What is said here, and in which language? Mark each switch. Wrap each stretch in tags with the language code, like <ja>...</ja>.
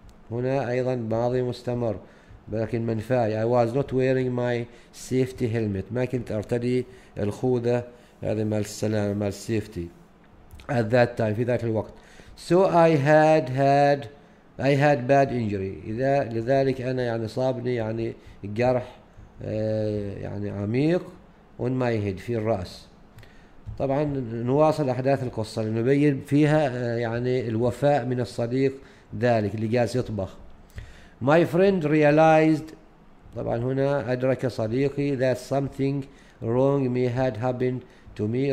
<ar>هنا أيضا ماضي مستمر لكن منفاي.</ar> <en>I was not wearing my safety helmet.</en> <ar>ما كنت أرتدي الخوذة هذا مال السلامة مال السيفتي.</ar> <en>At that time</en> <ar>في ذاك الوقت.</ar> <en>So I had bad injury.</en> <ar>إذا لذلك أنا يعني صابني يعني جرح يعني عميق</ar> <en>on my head</en> <ar>في الرأس. طبعا نواصل أحداث القصة لنبين فيها يعني الوفاء من الصديق ذلك اللي جالس يطبخ.</ar> <en>My friend realized.</en> <ar>طبعا هنا أدرك صديقي</ar> <en>that something wrong may had happened to me.</en>